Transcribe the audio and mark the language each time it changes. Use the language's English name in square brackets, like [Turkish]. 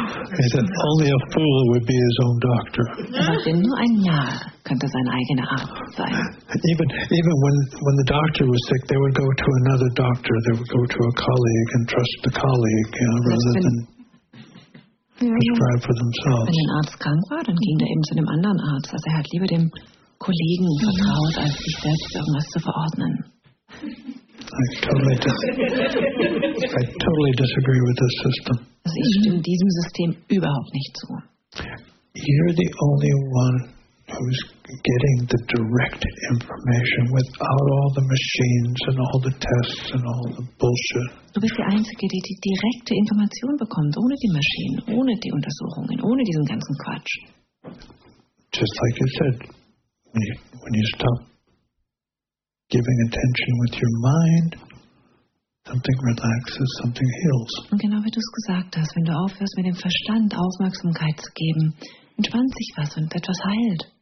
[English] He said only a fool would be his own doctor. [German] Nur ein Narr könnte sein eigener Arzt sein. [English] Even when the doctor was sick, they would go to another doctor. They would go to a colleague and trust the colleague, you know, rather than prescribe for themselves. [German] Wenn ein Arzt krank war, dann ging er eben zu einem anderen Arzt. Also er hat lieber dem Kollegen vertraut, als sich selbst irgendwas zu verordnen. [English] I totally disagree with this system. [German] Also ich stimme diesem System überhaupt nicht zu. [English] You're the only one who's getting the direct information without all the machines and all the tests and all the bullshit. [German] Du bist die Einzige, die die direkte Information bekommt, ohne die Maschinen, ohne die Untersuchungen, ohne diesen ganzen Quatsch. [English] Just like you said, when you stop giving attention with your mind, something relaxes, something heals. [German] Und genau wie du es gesagt hast, wenn du aufhörst, mit dem Verstand Aufmerksamkeit zu geben, entspannt sich was und etwas heilt.